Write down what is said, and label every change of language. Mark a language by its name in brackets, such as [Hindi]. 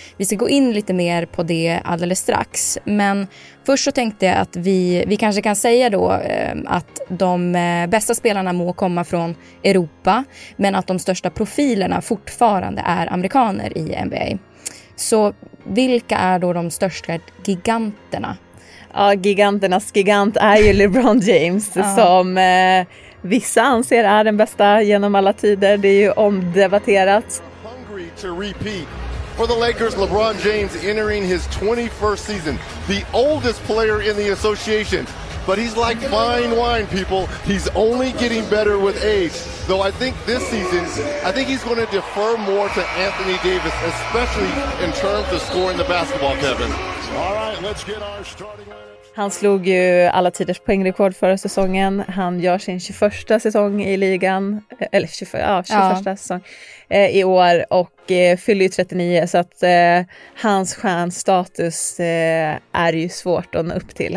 [Swedish] Vi ska gå in lite mer på det alldeles strax, men först så tänkte jag att vi kanske kan säga då att de bästa spelarna må komma från Europa, men att de största profilerna fortfarande är amerikaner i NBA. Så vilka är då de största giganterna? Ja, giganternas gigant är ju LeBron James som vissa anser är den bästa genom alla tider. Det är ju omdebatterat. [English] Hungry to repeat. For the Lakers, LeBron James entering his 21st season. The oldest player in the association. But he's like fine wine, people. He's only getting better with age. Though I think this season, I think he's going to defer more to Anthony Davis, especially in terms of scoring the basketball, Kevin. All right, let's get our starting line. [Swedish] Han slog ju alla tiders poängrekord förra säsongen. Han gör sin 21:a säsong i ligan. Eller 21:a säsong i år. Och fyller ju 39. Så att hans stjärnstatus är ju svårt att nå upp till.